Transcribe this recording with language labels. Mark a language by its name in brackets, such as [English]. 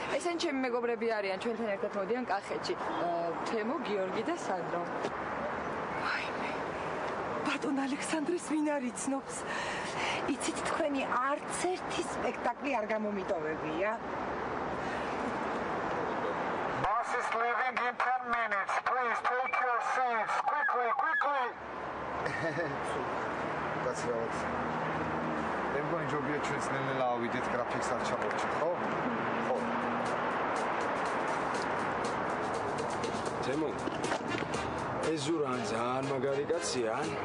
[Georgian] ესენ ჩემი მეგობრები არიან, ჩვენთან ერთად მოდიან კახეთში. თემო, გიორგი და სანდრო. აიმე. ბატონ ალექსანდრეს ვინ არ იცნობს? იცით თქვენი არც ერთი სპექტაკლი არ გამომიტოვებია. [English] Boss is leaving in 10 minutes. Please take your seats quickly, quickly. [Georgian] გასიავოთ. მეგონი ჯობია ჩვენს ნელ-ნელა ავიდეთ გრაფიკს არ ჩამოვჭით, ხო? ხო. თემო. ეს ზურა ძალიან მაგარი კაცია.